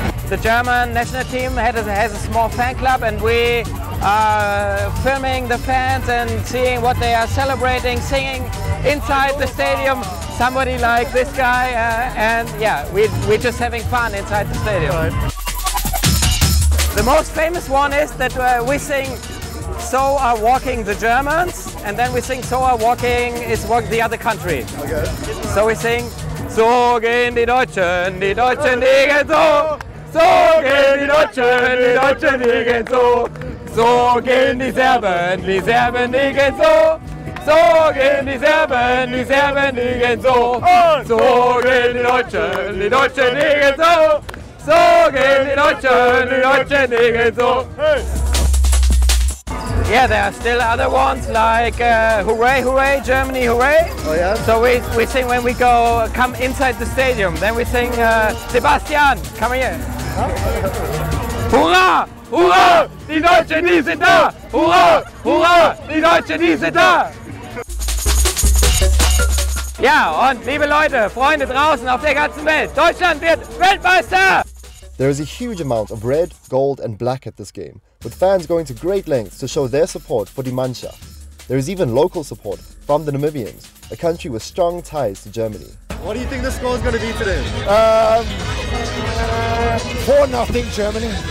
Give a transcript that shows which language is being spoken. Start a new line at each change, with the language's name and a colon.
English: The German national team has a small fan club, and we are filming the fans and seeing what they are celebrating, singing inside the stadium. Somebody like this guy, and yeah, we're just having fun inside the stadium. Right. The most famous one is that we sing "So Are Walking the Germans," and then we sing "So Are Walking is Walk the Other Country." Okay. So we sing
German: "So gehen die Deutschen gehen so, so gehen die Deutschen gehen so, so gehen die Serben gehen so." So gehen die Serben gehen so. So gehen die Deutschen gehen so. So gehen die Deutschen gehen so. Hey.
English: Yeah, there are still other ones like "Hooray, hooray, Germany, hooray." Oh yeah. So we sing when we go come inside the stadium. Then we sing "Sebastian, come here." Huh? Hurrah! Hurrah!
German: Die Deutschen sind da! Hurrah! Hurrah! Die Deutschen sind da! Ja, und liebe Leute, Freunde draußen auf der ganzen Welt, Deutschland wird Weltmeister!
English: There is a huge amount of red, gold and black at this game, with fans going to great lengths to show their support for die Mannschaft. There is even local support from the Namibians, a country with strong ties to Germany. What do you think the score is going to be today? 4-0 Germany.